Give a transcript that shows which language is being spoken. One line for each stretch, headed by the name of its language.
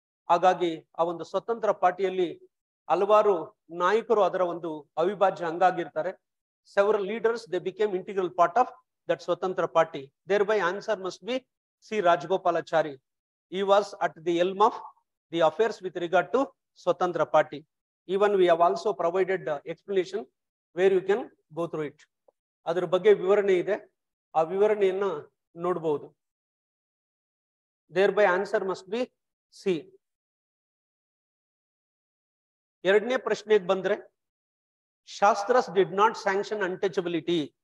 Kannada: ಹಾಗಾಗಿ ಆ ಒಂದು ಸ್ವತಂತ್ರ ಪಾರ್ಟಿಯಲ್ಲಿ ಹಲವಾರು ನಾಯಕರು ಅದರ ಒಂದು ಅವಿಭಾಜ್ಯ ಅಂಗಾಗಿರ್ತಾರೆ.
English: Several leaders they became integral part of that Swatantra party. Thereby answer must be C Rajagopalachari. He was at the helm of the affairs with regard to Swatantra party. Even we have also provided the explanation where you can go through it.
Kannada: ಅದರ ಬಗ್ಗೆ ವಿವರಣೆ ಇದೆ, ಆ ವಿವರಣೆಯನ್ನು ನೋಡಬಹುದು.
English: Thereby answer must be C.
Kannada: ಎರಡನೇ ಪ್ರಶ್ನೆಗೆ ಬಂದರೆ,
English: Shastras did not sanction untouchability.